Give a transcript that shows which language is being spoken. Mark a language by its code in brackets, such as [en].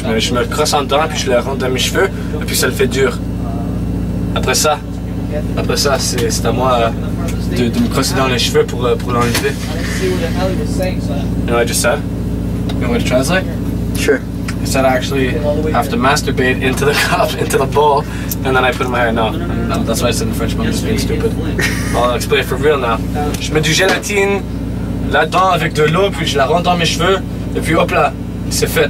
[fr] Je me crosse en dedans, puis je le rentre dans mes cheveux, et puis ça le fait dur. Après ça, c'est à moi de me crosser dans les cheveux pour l'enlever. [en] You know what I just said? You want me to translate? Sure. I said I actually have to masturbate into the cup, into the bowl, and then I put it in my hair. No, that's why I said in French, but I'm just being stupid. I'll explain it for real now. [fr] Je mets du gélatine là-dedans avec de l'eau, puis je la rentre dans mes cheveux, et puis hop là, c'est fait.